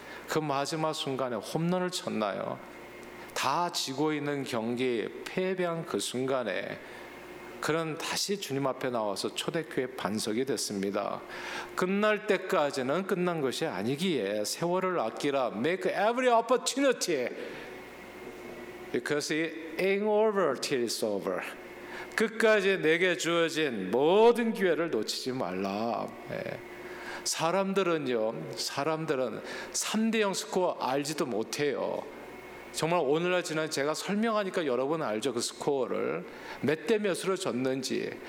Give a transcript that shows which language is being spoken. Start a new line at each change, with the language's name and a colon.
Korean: 그 마지막 순간에 홈런을 쳤나요? 다 지고 있는 경기 패배한 그 순간에 그는 다시 주님 앞에 나와서 초대교회 반석이 됐습니다. 끝날 때까지는 끝난 것이 아니기에 세월을 아끼라.
English: Make every opportunity because it ain't over till it's over.
Korean: 끝까지 내게 주어진 모든 기회를 놓치지 말라. 사람들은요, 사람들은 3대 0 스코어 알지도 못해요. 정말 오늘날 지난 제가 설명하니까 여러분 알죠. 그 스코어를 몇 대 몇으로 졌는지.